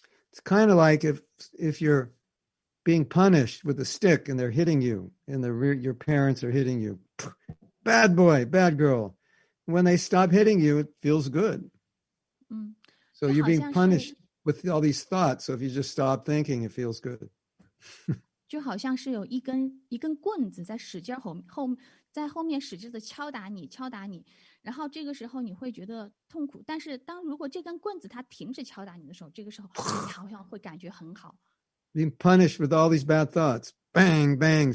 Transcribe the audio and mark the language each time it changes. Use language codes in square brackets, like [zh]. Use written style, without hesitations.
[en] It's kind of like if you're being punished with a stick and they're hitting you, and your parents are hitting you. Bad boy, bad girl. When they stop hitting you, it feels good. So you're being punished with all these thoughts. So if you just stop thinking, it feels good. [zh] 就好像是有一根棍子在使劲后面使劲的敲打你，然后这个时候你会觉得痛苦。但是当如果这根棍子它停止敲打你的时候，这个时候你好像会感觉很好。 [en] Being punished with all these bad thoughts, bang, bang.